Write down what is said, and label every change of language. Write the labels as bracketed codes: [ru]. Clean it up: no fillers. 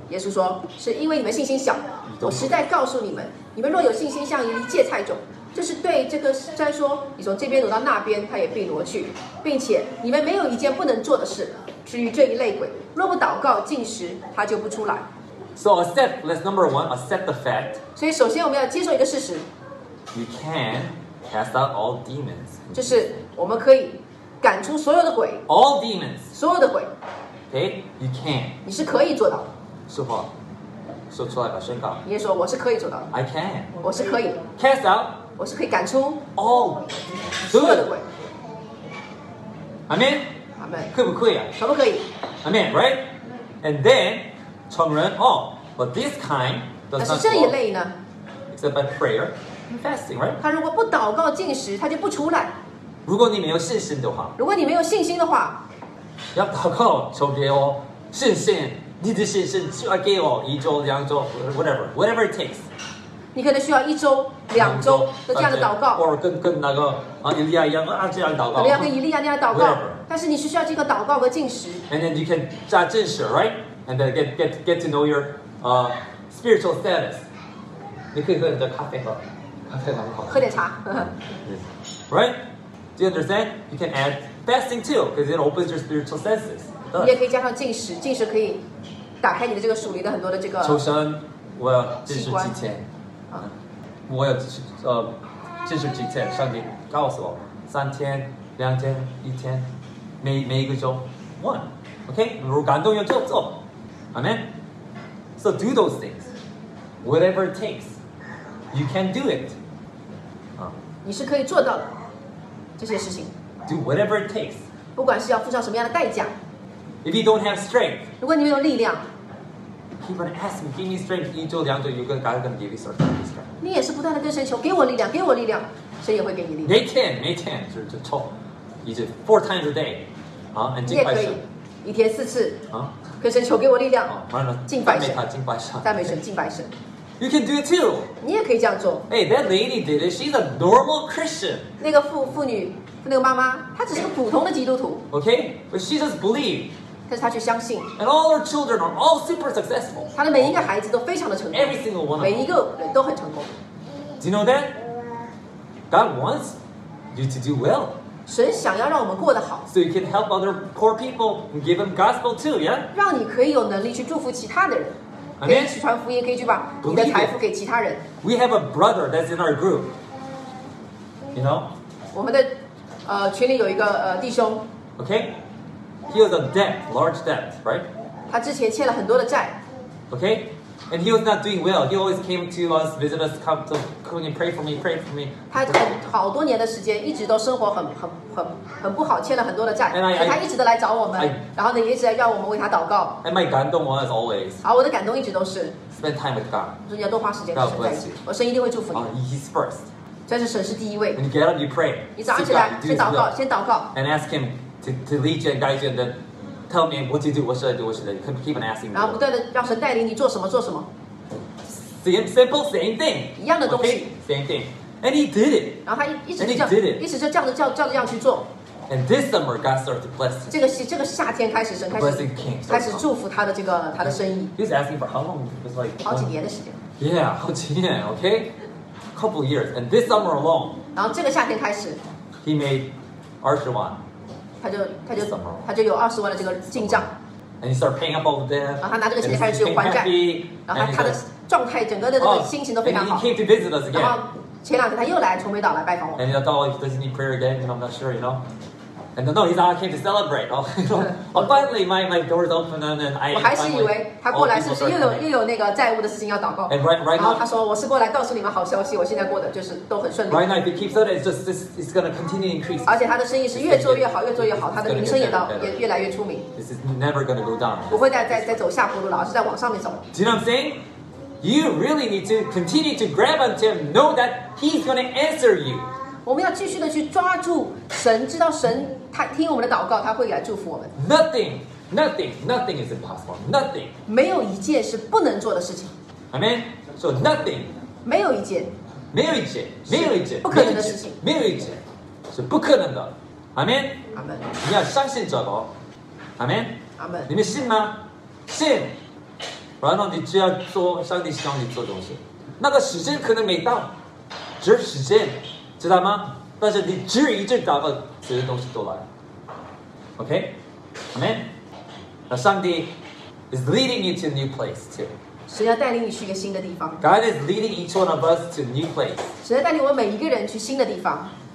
[zh] 耶稣说，是因为你们信心小。我实在告诉你们，你们若有信心像一粒芥菜种，就是对这棵山说，你从这边挪到那边，它也必挪去。并且你们没有一件不能做的事。至于这一类鬼，若不祷告禁食，它就不出来。 [en] So accept, that's number one, accept the fact. [zh] 所以首先我们要接受一个事实。 [en] You can cast out all demons. [zh] 就是我们可以赶出所有的鬼。 [en] All demons. [zh] 所有的鬼。 [en] Okay, you can. [zh] 你是可以做到的。说话，说出来吧，宣告。耶稣说我是可以做到的。 [en] I can. [zh] 我是可以。 [en] Cast out. [zh] 我是可以赶出。 [en] All. [zh] 所有的鬼。 [en] Amen. Amen. [zh] 可不可以啊？可不可以 [en] ？Amen, right? And then. [zh] 从人哦、 [en] oh, but this kind does not [zh] 但是这一类呢 [en] except by prayer and fasting right [zh] 他如果不祷告进食他就不出来如果你没有信心的话如果你没有信心的话要祷告求给我信心你的信心就要给我一周两周 [en] whatever whatever it takes [zh] 你可能需要一周两周的这样的祷告或者跟那个、啊、以利亚一样、啊、这样祷告可能要跟以利亚那样祷告、 [en] whatever. [zh] 但是你是需要这个祷告和进食 [en] and then you can [zh] 加进食 [en] rightAnd then get to know your、spiritual status. [zh] 你可以喝你的咖啡喝，咖啡蛮好。喝点茶。 [en] Right? Do you understand? You can add fasting too, because it opens your spiritual senses. [zh] 你也可以加上进食，进食可以打开你的这个属灵的很多的这个。求神，我要进食几天。啊、我要进食几天？上帝告诉我，三天、两天、一天，每一个周 ，one. [en] Okay? [zh] 如果感动要做做。 [en] Amen. So do those things. Whatever it takes. You can do it. [zh] 你是可以做到的这些事情。 [en] Do whatever it takes. [zh] 不管是要付上什么样的代价。 [en] If you don't have strength. [zh] 如果你没有力量。 [en] Keep on asking, give me strength. [zh] 一周两周有个 [en] God is going to give you strength. [zh] 你也是不断的跟神求给我力量给我力量神也会给你力量。每天就抽。一直 [en] four times a day.、 [zh] and 你也可以一天四次。跟神求给我力量、敬拜神敬拜神赞美神敬拜神 [en] You can do it too [zh] 你也可以这样做 [en] Hey that lady did it She's a normal Christian [zh] 那个 妇女那个妈妈她只是个普通的基督徒 [en] Okay But she just believed [zh] 但是她却相信 [en] And all her children are all super successful [zh] 她的每一个孩子都非常的成功 [en] Every single one of them [zh] 每一个人都很成功 [en] Do you know that? God wants you to do well [zh] 神想要让我们过得好 [en] So you can help other poor people And give them gospel too, yeah? [zh] 让你可以有能力去祝福其他的人 [en] Amen? [zh] 可以去传福音可以去把你的财富给其他人 [en] We have a brother that's in our group You know? [zh] 我们的、群里有一个、弟兄 [en] Okay? He was a debt, large debt, right? [zh] 他之前欠了很多的债 [en] Okay? And he was not doing well He always came to us, visit us, come to come pray for me [zh] 他好多年的时间一直都生活很不好欠了很多的债 [en] And I, [zh] 他一直都来找我们 [en] I, [zh] 然后呢也一直要我们为他祷告 [en] And my 感动 was always [zh] 好我的感动一直都是 [en] Spend time with God [zh] 就是你要多花时间跟神在一起 [en] God bless [zh] 我神一定会祝福你、 [en] He's first [zh] 这是神是第一位 [en] When you get up, you pray [zh] 你早上起来 [en] God, [zh] 先祷告 [en] And ask him to lead you and guide you and then Tell me what to do, what should I do, what should I do. Keep on asking me. [zh] 然后不断的让神带领你做什么做什么。 [en] Same thing. [zh] 一样的东西。 [en] Okay, same thing. And he did it. [zh] 然后他一直就这样，一直就这样去做。 [en] And this summer, God started to bless him. [zh] 这个夏天开始，神开始 [en] blessing kings, [zh] 开始祝福他的这个他的生意。 [en] He's asking for how long? It's like [zh] 好几年的时间。 [en] Yeah, [zh] 好几年 [en] okay? Couple years. And this summer alone. [zh] 然后这个夏天开始。 [en] He made 20万。 [zh] 他就有20万的这个进账 [en] ，and he start paying up all the debt， [zh] 然后他拿这个钱开始去还债， [en] happy, [zh] 然后他的状态整个的那个心情都非常好。 [en] And he came to visit us again. [zh] 然后前两天他又来崇明岛来拜访我。 [en] And he thought, oh, does he need prayer again? And I'm not sure, you know. And no, he's not came to celebrate. Oh, finally, my door is open, and then I. [zh] 我还是以为他过来是不是又有那个债务的事情要祷告。 [en] And right now, [zh] 他说我是过来告诉你们好消息，我现在过的就是都很顺利。 [en] Right now, if he keeps on, it's just this is going to continue increase. [zh] 而且他的生意是越做越好，越做越好，他的名声也越来越出名。 [en] This is never going to go down. [zh] 不会再走下坡路了，而是在往上面走。 [en] Do you know what I'm saying? You really need to continue to grab onto him, know that he's going to answer you. [zh] 我们要继续的去抓住神，知道神。他听我们的祷告，他会来祝福我们。 Nothing is impossible. Nothing. 没有一件是不能做的事情。 [en] Amen. So nothing. [zh] 没有一件。没有一件。不可能的事情。没有一件是不可能的。Amen. [en] Amen. [zh] 你要相信这个。Amen. Amen. 你们信吗？信。然后你只要做上帝希望你做东西，那个时间可能没到，只有时间，知道吗？但是你只有一句祷告，这些东西都来。 [en] OK? Amen? [zh] 那上帝 [en] is leading you to a new place too. [zh] 神要带领你去一个新的地方。 [en] God is leading each one of us to new place. [zh] 神要带领我每一个人去新的地方。